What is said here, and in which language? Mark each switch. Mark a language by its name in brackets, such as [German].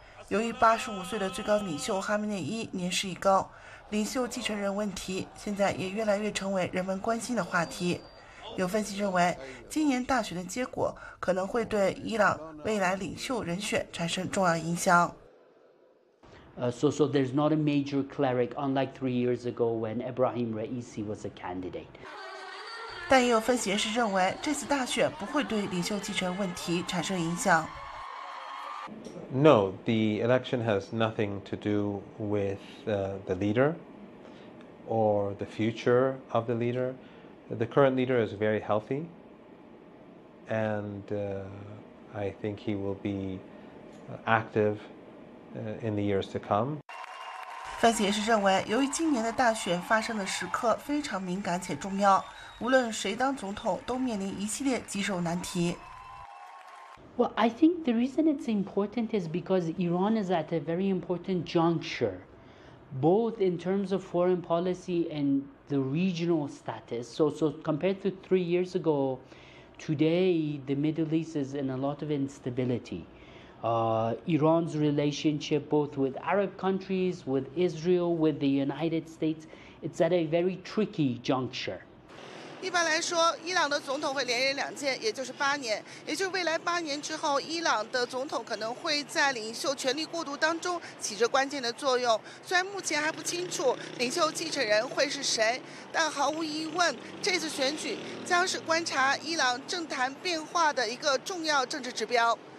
[Chinese] 由于85岁的最高领袖哈梅内伊年事已高，领袖继承人问题现在也越来越成为人们关心的话题。有分析认为，今年大选的结果可能会对伊朗未来领袖人选产生重要影响。 [English] So there's not a major cleric unlike 3 years ago when Ebrahim Raisi was a candidate. [Chinese] 但也有分析人士认为，这次大选不会对领袖继承问题产生影响。 [English] No, the election has nothing to do with the leader or the future of the leader. The current leader is very healthy, and I think he will be active in the years to come. [Chinese] 分析人士认为，由于今年的大选发生的时刻非常敏感且重要，无论谁当总统都面临一系列棘手难题。 [English] Well, I think the reason it's important is because Iran is at a very important juncture. Both in terms of foreign policy and the regional status. So compared to 3 years ago, today the Middle East is in a lot of instability. Iran's relationship both with Arab countries, with Israel, with the United States, it's at a very tricky juncture. [Chinese] 一般来说，伊朗的总统会连任两届，也就是8年，也就是未来8年之后，伊朗的总统可能会在领袖权力过渡当中起着关键的作用。虽然目前还不清楚领袖继承人会是谁，但毫无疑问，这次选举将是观察伊朗政坛变化的一个重要政治指标。